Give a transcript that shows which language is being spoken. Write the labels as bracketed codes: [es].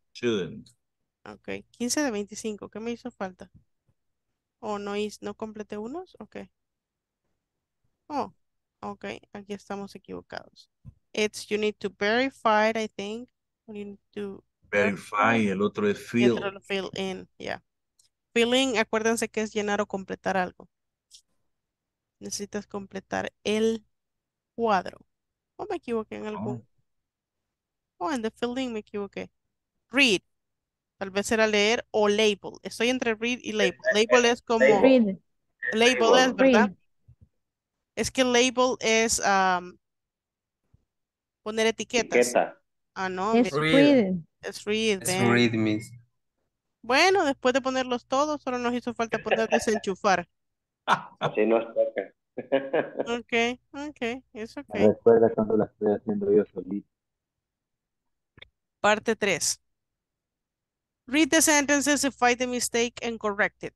[en] Shouldn't. [es] Okay. 15 de 25. ¿Qué me hizo falta? Oh, no, no completé unos. Okay. Oh, okay, aquí estamos equivocados. [en] It's, you need to verify it, I think. You need to [es] verify, el otro es fill. [en] Fill in, yeah. [es] Filling, acuérdense que es llenar o completar algo. Necesitas completar el cuadro. ¿O me equivoqué en algo? Oh, en [en] the filling [es] me equivoqué. Read, tal vez era leer o label. Estoy entre read y label. Label es como... Label es, ¿verdad? [en] Read. [es] Es que label es poner etiquetas. Etiqueta. Ah, no. Es read. Es read. Es read, miss. Bueno, después de ponerlos todos, solo nos hizo falta poder desenchufar. Así nos toca. Ok, ok. Es ok. Después de cuando la estoy haciendo yo solito. Parte 3. [en] Read the sentences to find the mistake and correct it.